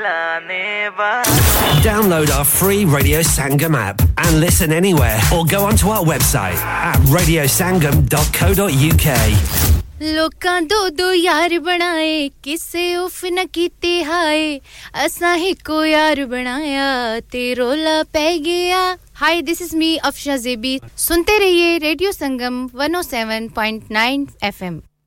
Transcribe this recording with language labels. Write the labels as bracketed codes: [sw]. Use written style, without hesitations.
[en] Download our free Radio Sangam app and listen anywhere or go onto our website at radiosangam.co.uk [pa] ਲੋਕਾਂ ਦੋ ਦੋ ਯਾਰ ਬਣਾਏ ਕਿਸੇ ਉਫ ਨਾ ਕੀਤੇ ਹਾਏ ਅਸਾਂ ਇੱਕੋ ਯਾਰ ਬਣਾਇਆ ਤੇ ਰੋਲਾ ਪੈ ਗਿਆ [en] Hi, this is me, [pa] Afsha Zebi. ਸੁਣਤੇ ਰਹੀਏ Radio Sangam 107.9 FM.